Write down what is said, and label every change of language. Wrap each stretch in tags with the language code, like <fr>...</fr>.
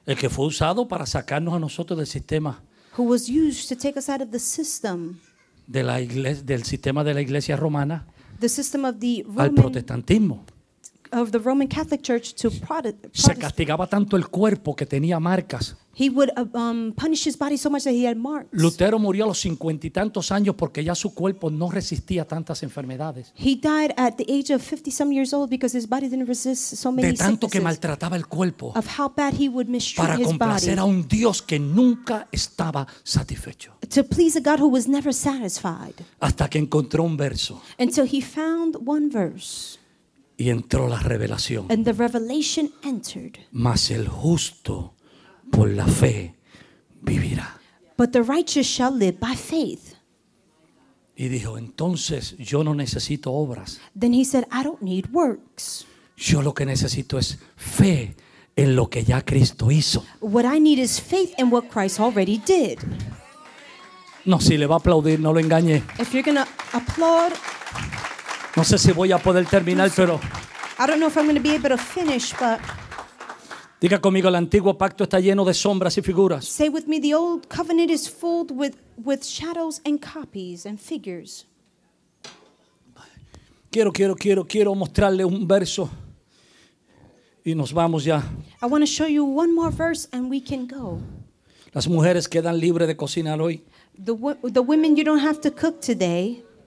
<es>El que fue usado para sacarnos a nosotros del sistema.</es> <en>Who was used to take us out of the system.</en> <es>De la iglesia, del sistema de la iglesia romana.</es> <en>The system of the Roman.</en> <es>Al protestantismo.</es> <en>Of the Roman Catholic Church to Protestant.</en> <es>Se castigaba tanto el cuerpo que tenía marcas.</es> <en>He would punish his body so much that he had marks.</en> <es>Lutero murió a los 50 y tantos años porque ya su cuerpo no resistía tantas enfermedades.</es> <en>He died at the age of 50 some years old because his body didn't resist so many.</en> <es>De tanto</es> <en>sicknesses,</en> <es>que maltrataba el cuerpo.</es> <en>Of how bad he would mistreat his body.</en> <es>Para complacer a un Dios que nunca estaba satisfecho.</es> <en>To please a God who was never satisfied.</en> <es>Hasta que encontró un verso.</es> <en>Until he found one verse.</en> <es>Y entró la revelación.</es> <en>And the revelation entered.</en> <es>Mas el justo por la fe vivirá.</es> <en>But the righteous shall live by faith.</en> <es>Y dijo, entonces yo no necesito obras.</es> <en>Then he said, I don't need works.</en> <es>Yo lo que necesito es fe en lo que ya Cristo hizo.</es> <en>What I need is faith in what Christ already did.</en> <es>No, si le va a aplaudir, no lo engañe.</es> <en>If you're gonna applaud.</en> <es>No sé si voy a poder terminar, pero.</es> <en>I don't know if I'm going to be able to finish, but.</en> <es>Diga conmigo, el antiguo pacto está lleno de sombras y figuras.</es> <en>Say with me, the old covenant is filled with shadows and copies and figures.</en> <es>Quiero mostrarle un verso y nos vamos ya.</es> <en>I want to show you one more verse and we can go.</en> <es>Las mujeres quedan libres de cocinar hoy.</es> <en>The women, you don't have to cook today.</en>